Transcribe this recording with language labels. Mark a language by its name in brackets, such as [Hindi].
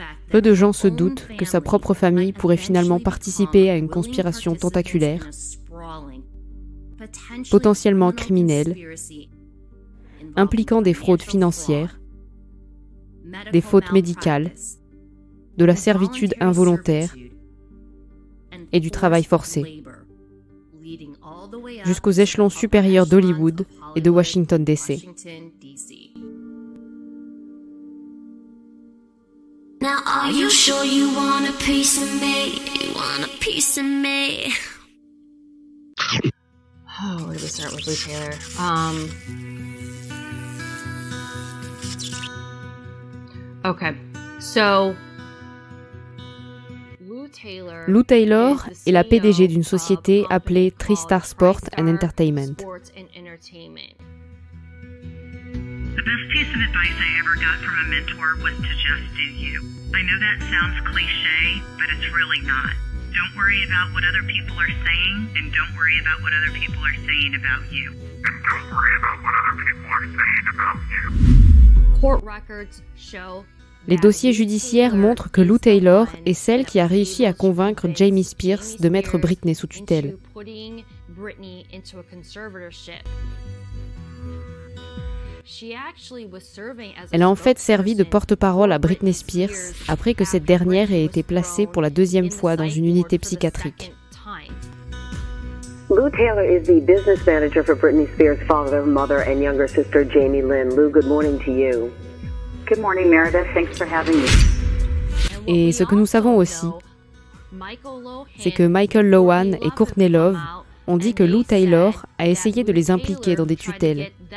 [French] Peu de gens se doutent que sa propre famille pourrait finalement participer à une conspiration tentaculaire, potentiellement criminelle, impliquant des fraudes financières, des fautes médicales, de la servitude involontaire et du travail forcé, jusqu'aux échelons supérieurs d'Hollywood et de Washington, D.C. [English] Now are you sure you want a piece of me? You want a piece of me? Oh, where do we start with Luke Taylor? Okay, so... [French] Lou Taylor est la PDG d'une société appelée TriStar Sport and Entertainment. [English] The best piece of advice I ever got from a mentor was to just do you. I know that sounds cliché, but it's really not. Don't worry about what other people are saying, and don't worry about what other people are saying about you. And don't worry about what other people are saying about you. Court records show. [French] Les dossiers judiciaires montrent que Lou Taylor est celle qui a réussi à convaincre Jamie Spears de mettre Britney sous tutelle. [English] Britney into a conservatorship. [French] Elle a en fait servi de porte-parole à Britney Spears après que cette dernière ait été placée pour la deuxième fois dans une unité psychiatrique. [English] Lou Taylor is the business manager for Britney Spears' father, mother, and younger sister, Jamie Lynn. Lou, good morning to you. Good morning, Meredith. Thanks for having me. [French] Et ce que nous savons aussi, c'est que Michael Lohan et Courtney Love ont dit que Lou Taylor a essayé de les impliquer dans des tutelles.